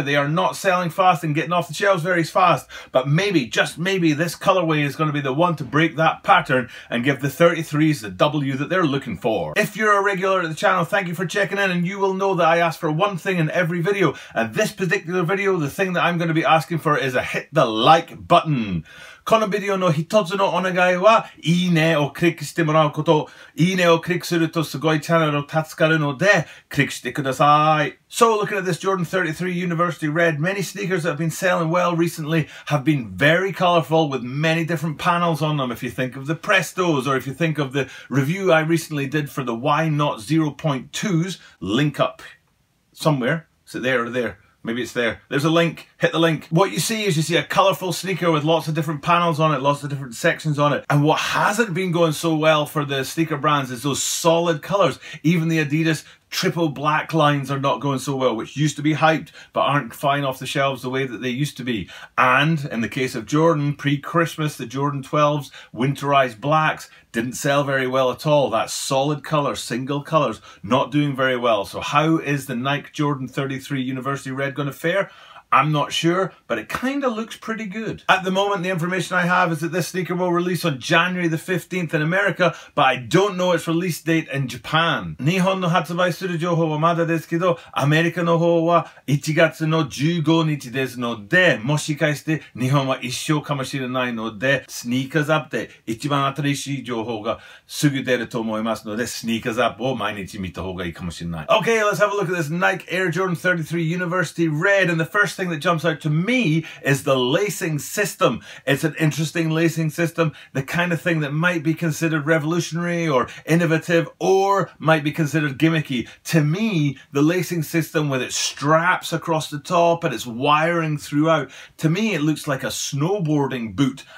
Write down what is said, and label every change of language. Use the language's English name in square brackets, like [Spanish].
[English] They are not selling fast and getting off the shelves very fast, but maybe, just maybe, this colorway is going to be the one to break that pattern and give the 33s the W that they're looking for. If you're a regular at the channel, thank you for checking in, and you will know that I ask for one thing in every video, and this particular video, the thing that I'm going to be asking for is a hit the like button. [Japanese] このビデオの一つのお願いは、いいねをクリックしてもらうこと。いいねをクリックするとすごいチャンネルが助かるので、クリックしてください。 [English] So looking at this Jordan 33 University Red, many sneakers that have been selling well recently have been very colourful with many different panels on them. If you think of the Prestos, or if you think of the review I recently did for the Why Not 0.2s, link up somewhere. Is it there or there? Maybe it's there. There's a link. Hit the link. What you see a colourful sneaker with lots of different panels on it, lots of different sections on it. And what hasn't been going so well for the sneaker brands is those solid colours. Even the Adidas triple black lines are not going so well, which used to be hyped, but aren't flying off the shelves the way that they used to be. And in the case of Jordan, pre-Christmas, the Jordan 12s, winterized blacks, didn't sell very well at all. That solid color, single colors, not doing very well. So how is the Nike Jordan 33 University Red going to fare? I'm not sure, but it kind of looks pretty good. At the moment, the information I have is that this sneaker will release on January the 15th in America, but I don't know its release date in Japan. [Japanese] 日本の発売する情報はまだですけど、アメリカの方は1月の15日ですので、もしかして日本は一生かもしれないので、スニーカーズアップで一番新しい情報がすぐ出ると思いますので、スニーカーズアップを毎日見た方がいいかもしれない。 [English] Okay, let's have a look at this Nike Air Jordan 33 University Red, and the firstthing that jumps out to me is the lacing system. It's an interesting lacing system, the kind of thing that might be considered revolutionary or innovative or might be considered gimmicky. To me, the lacing system with its straps across the top and its wiring throughout, to me it looks like a snowboarding boot.